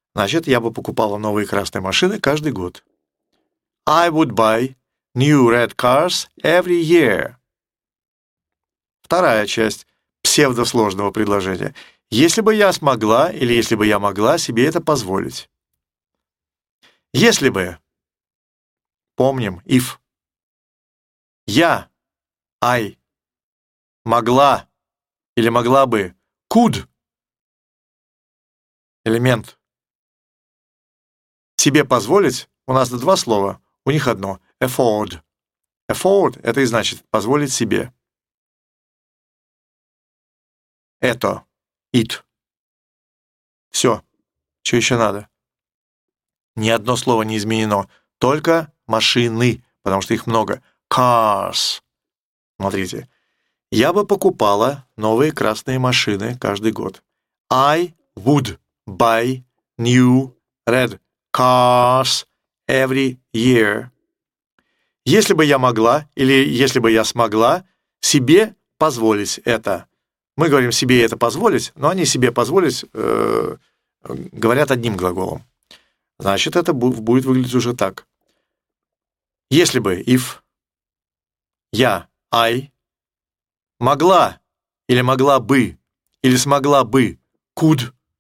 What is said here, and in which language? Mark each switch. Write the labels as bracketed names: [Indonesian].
[Russian] Значит, я бы покупала новые красные машины каждый год. [English] I would buy new red cars every year. [Russian] Вторая часть псевдосложного предложения. Если бы я смогла или если бы я могла себе это позволить. Если бы. Помним, if. Я, I, могла или могла бы, could. Элемент. Себе позволить, у нас два слова, у них одно, afford. Afford — это и значит позволить себе. Это, it. Все, что еще надо? Ни одно слово не изменено, только машины, потому что их много. Cars. Смотрите. Я бы покупала новые красные машины каждый год. [English] I would buy new red cars every year. [Russian] Если бы я могла, или если бы я смогла себе позволить это. Мы говорим себе это позволить, но они себе позволить говорят одним глаголом. Значит, это будет выглядеть уже так. Если бы, if, я, I, могла или могла бы, или смогла бы, could.